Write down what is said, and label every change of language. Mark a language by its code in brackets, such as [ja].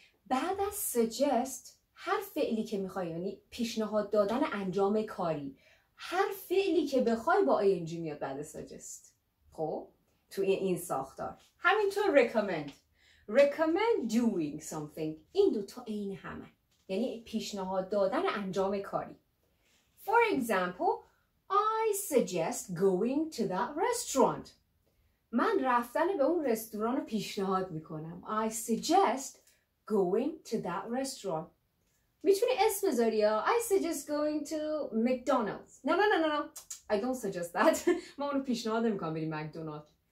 [fa] بعد از suggest هر فعلی که میخوای، یعنی پیشنهاد دادن انجام کاری، هر فعلی که بخوای با ing میاد بعد suggest. خب تو این ساختار همینطور [en] recommend doing something. [fa] این دوتا این همه، یعنی پیشنهاد دادن انجام کاری. [en] For example, I suggest going to that restaurant. [fa] من رفتن به اون رستوران رو پیشنهاد میکنم. [en] I suggest going to that restaurant. [fa] میتونی اسم بذاری یا [en] I suggest going to McDonald's. No. I don't suggest that. [fa] ما اونو پیشنهاد نمی کنم بریم مکدونالدز.